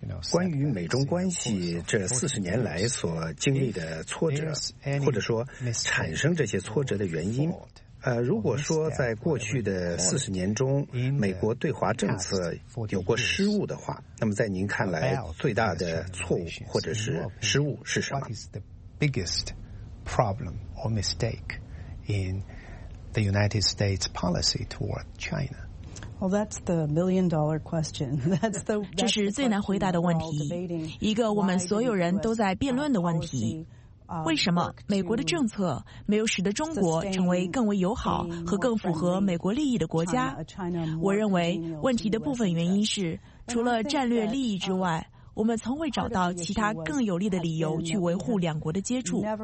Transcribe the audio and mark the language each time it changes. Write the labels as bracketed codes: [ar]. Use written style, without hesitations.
[zh] 关于美中关系这40年来所经历的挫折，或者说产生这些挫折的原因，如果说在过去的40年中美国对华政策有过失误的话，那么在您看来最大的错误或者是失误是什么？ [en] What is the biggest problem or mistake in the United States policy toward China? Well, that's the million-dollar question. That's the [zh] 这是最难回答的问题，一个我们所有人都在辩论的问题。为什么美国的政策没有使得中国成为更为友好和更符合美国利益的国家？我认为问题的部分原因是，除了战略利益之外，我们从未找到其他更有利的理由去维护两国的接触。